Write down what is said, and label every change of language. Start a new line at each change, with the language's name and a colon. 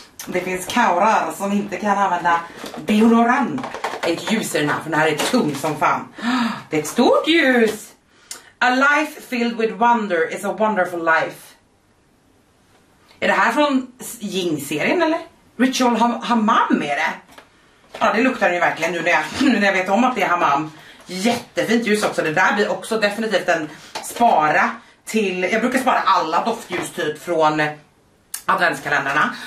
Swedish: Det finns karlar som inte kan använda deodorant. Ett ljus i den här, för den här är tung som fan. Det är ett stort ljus.
English: A life filled with wonder is a wonderful life.
Swedish: Är det här från Jing-serien eller? Ritual Hammam är det? Ja, det luktar ju verkligen nu när jag vet om att det är Hammam. Jättefint ljus också. Det där blir också definitivt en spara till. Jag brukar spara alla doftljus typ från adventskalendrarna.